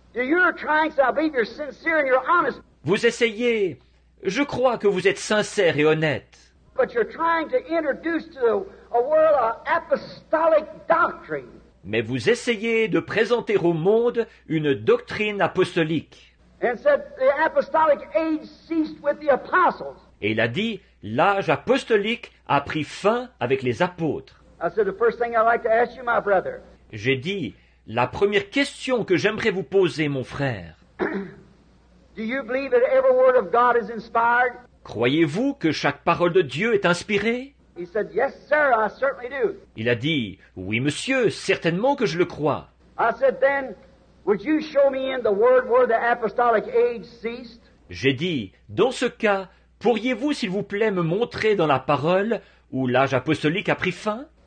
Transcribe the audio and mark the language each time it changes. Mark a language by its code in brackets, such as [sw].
[en] you're trying, so I believe you're sincere and you're honest. [fr] Vous essayez. Je crois que vous êtes sincère et honnête. [en] But you're trying to introduce to a world an apostolic doctrine. [fr] Mais vous essayez de présenter au monde une doctrine apostolique. [en] And said the apostolic age ceased with the apostles. [fr] Et il a dit, l'âge apostolique a pris fin avec les apôtres. [en] I said, the first thing I'd like to ask you, my brother. [fr] J'ai dit, la première question que j'aimerais vous poser, mon frère. [en] Do you believe that every word of God is inspired? [fr] Croyez-vous que chaque parole de Dieu est inspirée? [en] He said, yes, sir, I certainly do. [fr] Il a dit, oui, monsieur, certainement que je le crois. [en] I said, then, would you show me in the word where the apostolic age ceased? [fr] J'ai dit, dans ce cas, pourriez-vous, s'il vous plaît, me montrer dans la parole où l'âge apostolique a pris fin?